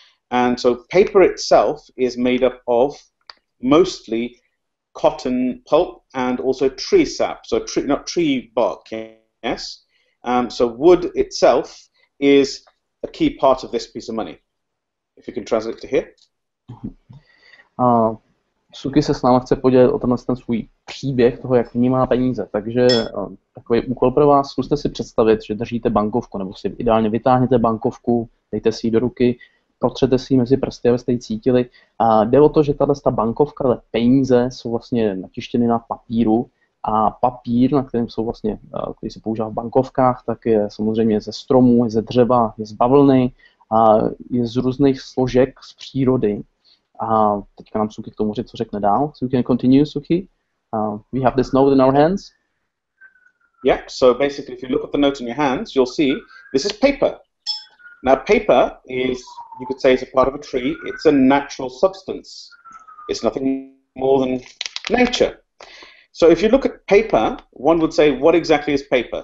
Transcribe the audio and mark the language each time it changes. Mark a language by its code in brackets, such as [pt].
[en] And so paper itself is made up of mostly cotton pulp and also tree sap, so tree bark, yes? So wood itself is a key part of this piece of money. If you can translate to here. [cs] Suky se s náma chce podělit o tenhle svůj příběh toho, jak vnímá peníze. Takže takový úkol pro vás, zkuste si představit, že držíte bankovku, nebo si ideálně vytáhněte bankovku, dejte si ji do ruky, protřete si ji mezi prsty, abyste ji cítili. A jde o to, že tato bankovka, ale peníze, jsou vlastně natištěny na papíru a papír, na kterém jsou vlastně, který se používá v bankovkách, tak je samozřejmě ze stromů, je ze dřeva, je z bavlny, a je z různých složek z přírody. A teďka nám Suky k tomu říct, co řekne dál. [en] So we can continue, Suky. We have this note in our hands. Yeah, so basically if you look at the note in your hands, you'll see this is paper. Now paper is, you could say, is a part of a tree. It's a natural substance. It's nothing more than nature. So if you look at paper, one would say, what exactly is paper?